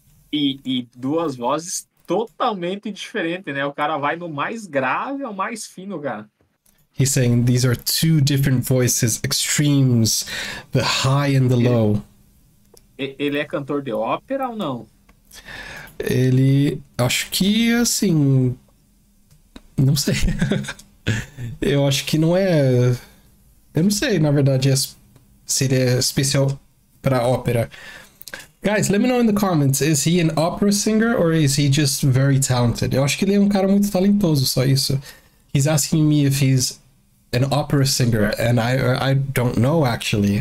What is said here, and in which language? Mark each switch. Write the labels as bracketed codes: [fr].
[pt] E duas vozes totalmente diferentes, né? O cara vai no mais grave ao mais fino, cara. [en] He's saying these are two different voices, extremes, the high and the low. [pt] Ele é cantor de ópera ou não? Ele, acho que assim, não sei. Eu acho que não é, eu não sei, na verdade, se ele é especial para ópera. [en] Guys, let me know in the comments, is he an opera singer or is he just very talented? [pt] Eu acho que ele é cara muito talentoso, só isso. [en] He's asking me if he's an opera singer, and I don't know, actually.